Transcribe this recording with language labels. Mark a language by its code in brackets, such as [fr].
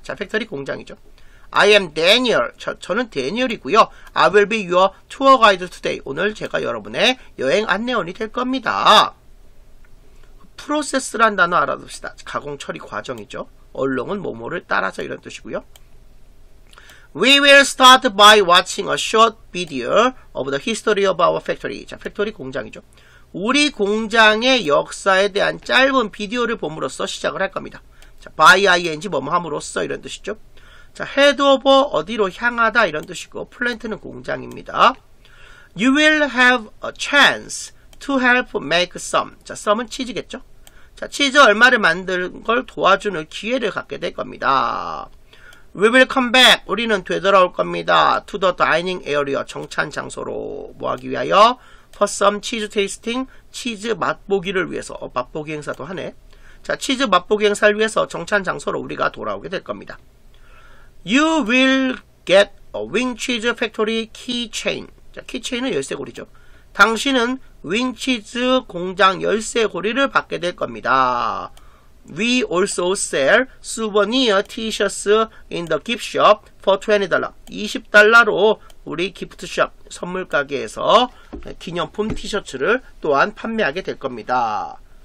[ko] 자, 팩토리 공장이죠. [en] I am Daniel. [ko] 저는 Daniel이고요. [en] I will be your tour guide today. [ko] 오늘 제가 여러분의 여행 안내원이 될 겁니다. 프로세스란 단어 알아둡시다. 가공 처리 과정이죠. 얼룩은 뭐뭐를 따라서 이런 뜻이고요. [en] We will start by watching a short video of the history of our factory. [ko] 자, 팩토리 공장이죠. 우리 공장의 역사에 대한 짧은 비디오를 봄으로써 시작을 할 겁니다. 자, by ing 뭐뭐함으로써 이런 뜻이죠. 자, head over 어디로 향하다 이런 뜻이고 plant는 공장입니다. [en] You will have a chance to help make some. [ko] 자, some은 치즈겠죠. 자, 치즈 얼마를 만드는 걸 도와주는 기회를 갖게 될 겁니다. [en] We will come back. [ko] 우리는 되돌아올 겁니다. [en] To the dining area. [ko] 정찬 장소로. 뭐하기 위하여? [en] For some cheese tasting. [ko] 치즈 맛보기를 위해서. 맛보기 행사도 하네. 자, 치즈 맛보기 행사를 위해서 정찬 장소로 우리가 돌아오게 될 겁니다. [en] You will get a wing cheese factory keychain. [ko] 자, keychain은 열쇠고리죠. 당신은 윙치즈 공장 열쇠고리를 받게 될 겁니다. [en] We also sell souvenir t-shirts in the gift shop for $20. [ko] 20달러로 우리 기프트샵 선물가게에서 기념품 티셔츠를 또한 판매하게 될 겁니다.